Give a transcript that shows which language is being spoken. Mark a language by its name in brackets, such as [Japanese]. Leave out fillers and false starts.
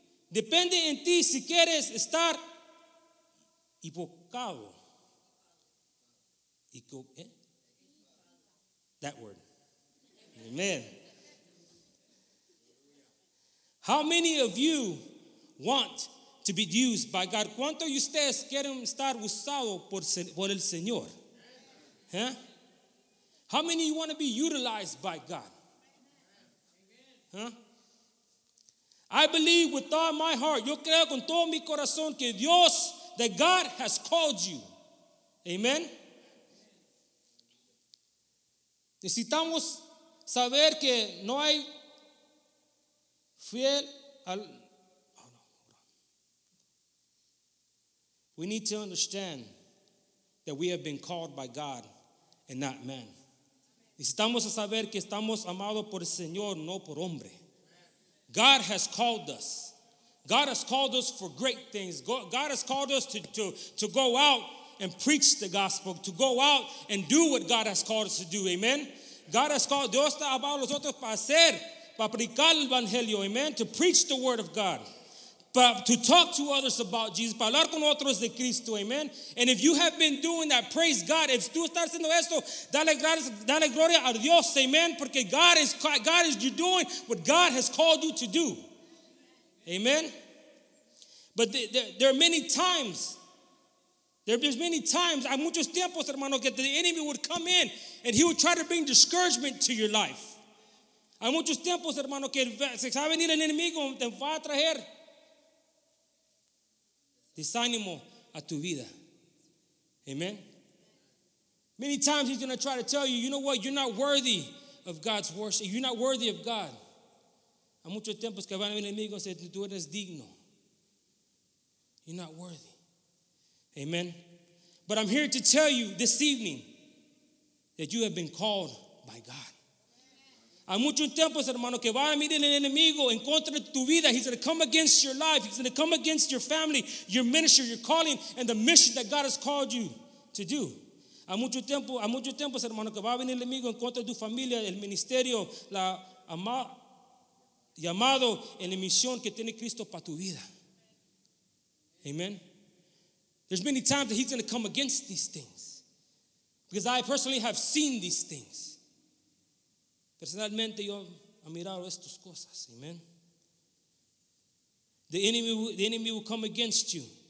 [Spanish] Depende en ti si quieres estar equipado. [English] That word. Amen. How many of you want to be used by God? [Spanish] ¿Cuántos de ustedes quieren estar usados por el Señor? Huh? [English] How many of you want to be utilized by God? Huh? I believe with all my heart, [Spanish] yo creo con todo mi corazón que Dios, [English] that God has called you. Amen. [Spanish] Necesitamos saber que no hay fiel al. [English] Oh no, hold on. We need to understand that we have been called by God and not man. [Spanish] Necesitamos saber que estamos amados por el Señor, no por hombre. [English] God has called us. God has called us for great things. God has called us to go out and preach the gospel, to go out and do what God has called us to do. [Spanish] Amen. [English] God has called, [Spanish] Dios está hablando a nosotros para hacer, para predicar el evangelio, amen, [English] to preach the word of God, to talk to others about Jesus, [Spanish] para hablar con otros de Cristo, amen. [English] And if you have been doing that, praise God. If [Spanish] tú estás haciendo esto, dale gloria a Dios, [English] amen, porque God is you doing what God has called you to do, amen. But there are many times, [Spanish] hay muchos tiempos, hermano, que [English] the enemy would come in and he would try to bring discouragement to your life. [Spanish] Hay muchos tiempos, hermano, que se va a venir el enemigo y te va a traer desánimo a tu vida. Amen. [English] Many times he's going to try to tell you, you know what, you're not worthy of God's worship. You're not worthy of God. [Spanish] Hay muchos tiempos que va a venir el enemigo y dice, tú eres digno. [English] You're not worthy. Amen. But I'm here to tell you this evening that you have been called by God. [Spanish] Hay muchos tiempos, hermano, que va a venir el enemigo en contra de tu vida. [English] He's going to come against your life. He's going to come against your family, your ministry, your calling, and the mission that God has called you to do. [Spanish] Hay muchos tiempos, hermano, que va a venir el enemigo en contra de tu familia, el ministerio, la llamado en la misión que tiene Cristo para tu vida. Amen. [English] There's many times that he's going to come against these things. Because I personally have seen these things. [Spanish] Personalmente yo he mirado estas cosas. [English] Amen. The enemy will come against you.